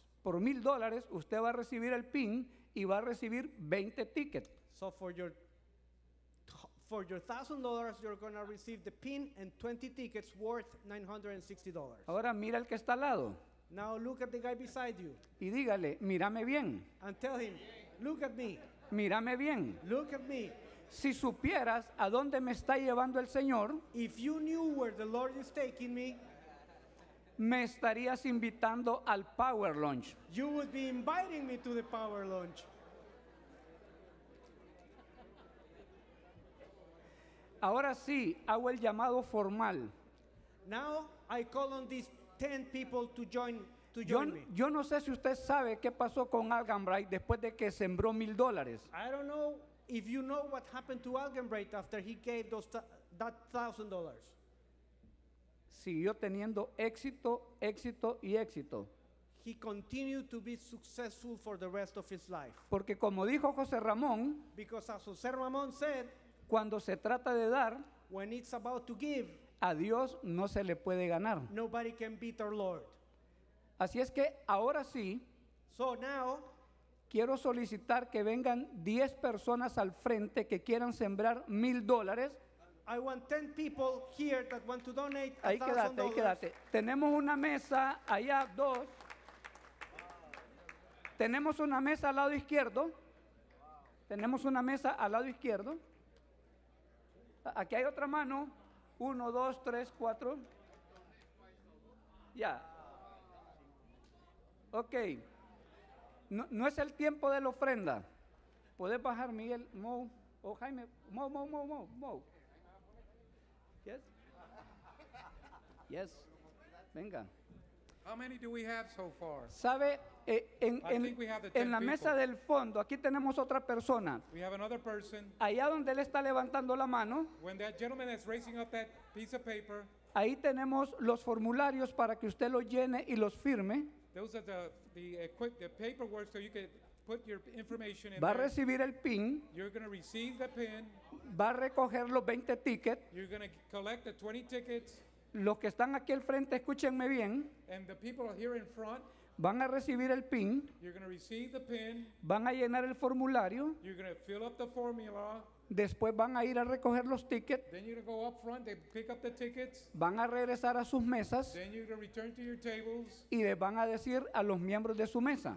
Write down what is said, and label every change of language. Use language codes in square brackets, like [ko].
[es] Por $1,000, usted va a recibir el pin y va a recibir 20 tickets. [en] So for your $1,000, you're going to receive the pin and 20 tickets worth $960. [es] Ahora mira el que está al lado. [en] Now look at the guy beside you. [es] Y dígale, mírame bien. [en] And tell him, look at me. [es] Mírame bien. [en] Look at me. [es] Si supieras a dónde me está llevando el Señor. [en] If you knew where the Lord is taking me. [es] Me estarías invitando al Power Launch. [en] You would be inviting me to the Power Launch. [es] Ahora sí, hago el llamado formal. [en] Now I call on these 10 people to join. [es] Yo no sé si usted sabe qué pasó con Algenbright después de que sembró $1,000. [en] I don't know if you know what happened to Algenbright after he gave that $1,000. [es] Siguió teniendo éxito, éxito y éxito. [en] He continued to be successful for the rest of his life. [es] Porque como dijo José Ramón, [en] because as José Ramón said, [es] cuando se trata de dar, [en] when it's about to give, [es] a Dios no se le puede ganar. [en] Nobody can beat our Lord. [es] Así es que ahora sí, [en] so now, [es] quiero solicitar que vengan 10 personas al frente que quieran sembrar $1,000. [en] I want 10 people here that want to donate $1,000. [es] Ahí quédate, ahí quédate. Tenemos una mesa allá, dos. Tenemos una mesa al lado izquierdo. Tenemos una mesa al lado izquierdo. Aquí hay otra mano. Uno, dos, tres, cuatro. Ya. Ok, no es el tiempo de la ofrenda. ¿Puedes bajar, Miguel, Mo, o Jaime? Mo. [en] Yes. [es] Venga. [en] How many do we have so far? [es] ¿Sabe? En la mesa del fondo, aquí tenemos otra persona. [en] We have another person. [es] Allá donde él está levantando la mano. [en] When that gentleman is raising up that piece of paper. [es] Ahí tenemos los formularios para que usted los llene y los firme. [en] Those are the paperwork so you can put your information in. [es] Va a recibir el PIN. [en] You're going to receive the PIN. [es] Va a recoger los 20 tickets. [en] You're going to collect the 20 tickets. [es] Los que están aquí al frente, escúchenme bien. [en] And the people here in front. [es] Van a recibir el PIN. [en] You're going to receive the PIN. [es] Van a llenar el formulario. [en] You're going to fill up the formula. [es] Después van a ir a recoger los tickets. [en] Then you're going to go up front and pick up the tickets. [es] Van a regresar a sus mesas. [en] Then you're going to return to your tables. [es] Y les van a decir a los miembros de su mesa.